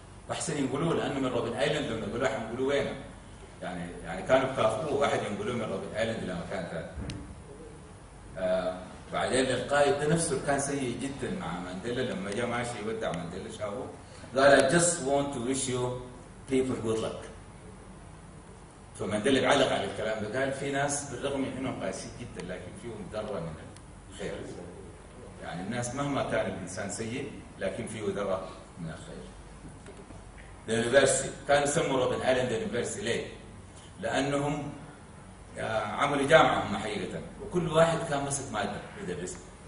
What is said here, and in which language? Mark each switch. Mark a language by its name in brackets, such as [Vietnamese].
[Arabic] وحسن ينقلوا لأنه من روبن آيلند لما نقول لهم ينقلوا وين؟ يعني كانوا بكافؤوا واحد ينقلوا من روبن آيلند إلى مكان ثاني. بعدين القائد نفسه كان سيء جدا مع مانديلا لما جاء ماشي يودع مانديلا شافه. قال [English] I just want to wish you people good luck. [Arabic] فمانديلا علق على الكلام ده قال في ناس بالرغم من انهم قاسيين جدا لكن فيهم ذره من الخير. يعني الناس مهما كان الانسان سيء لكن فيه ذره من الخير. يونيفرسيتي كانوا يسموا روبن ايلاند يونيفرسيتي ليه؟ لانهم عملوا جامعه هم حقيقه وكل واحد كان مسك ماده يدرسها.